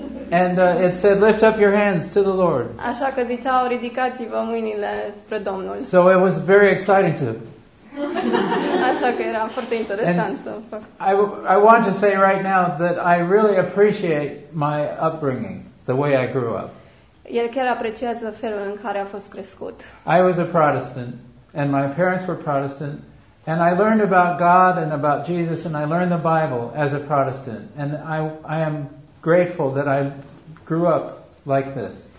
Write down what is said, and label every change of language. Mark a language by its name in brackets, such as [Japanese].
[English] And it said, "Lift up your hands to the Lord." [Romanian] Așa că ziceau, ridicați-vă mâinile spre Domnul. [English] So it was very exciting to. [Romanian] Așa că era foarte interesant să fac. [English] I want to say right now that I really appreciate my upbringing. The way I grew up. [Romanian] El chiar apreciază felul în care a fost crescut. [English] I was a Protestant and my parents were Protestant and I learned about God and about Jesus and I learned the Bible as a Protestant and I am grateful that I grew up like this.